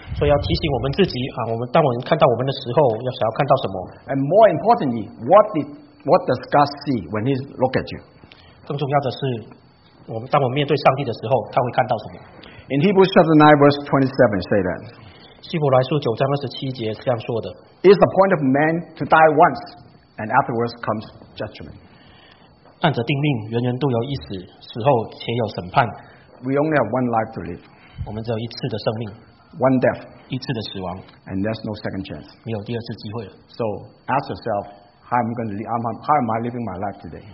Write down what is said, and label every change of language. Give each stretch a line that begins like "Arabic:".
Chinese: 所以要提醒我们自己啊，我们当我们看到我们的时候，要想要看到什么
English: ？And more importantly, What does God see when He looks at you?
Chinese: 更重要的是，当我们面对上帝的时候，他会看到什么
English: ？In Hebrews chapter 9 verse 27, say that.
Chinese: 希伯来书九章二十七节这样说的。
English: It's the point of man to die once, and afterwards comes judgment.
Chinese: 按着定命，人人都有一死，死后且有审判。
English: We only have one life to live.
Chinese: 我们只有一次的生命。
English: One death.
Chinese: 一次的死亡。
English: And there's no second chance.
Chinese: 没有第二次机会了。
English: So ask yourself. How am I living my life today?